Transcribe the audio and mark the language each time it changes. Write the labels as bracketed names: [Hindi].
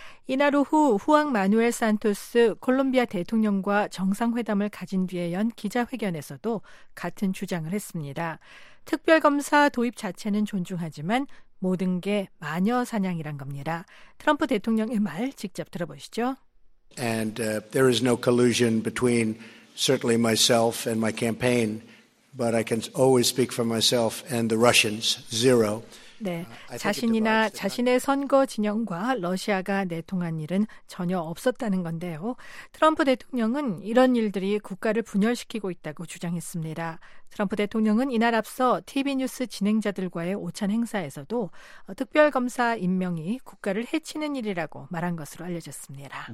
[Korean] 이날 오후 후앙 마누엘 산토스 콜롬비아 대통령과 정상회담을 가진 뒤에 연 기자회견에서도 같은 주장을 했습니다. 특별검사 도입 자체는 존중하지만 모든 게 마녀사냥이란 겁니다. 트럼프 대통령의 말 직접 들어보시죠. [English] And there is no collusion between certainly myself and my campaign, but I can always speak for myself and the Russians, zero. [Korean] 네, 자신이나 자신의 선거 진영과 러시아가 내통한 일은 전혀 없었다는 건데요. 트럼프 대통령은 이런 일들이 국가를 분열시키고 있다고 주장했습니다. 트럼프 대통령은 이날 앞서 TV 뉴스 진행자들과의 오찬 행사에서도 특별검사 임명이 국가를 해치는 일이라고 말한 것으로 알려졌습니다.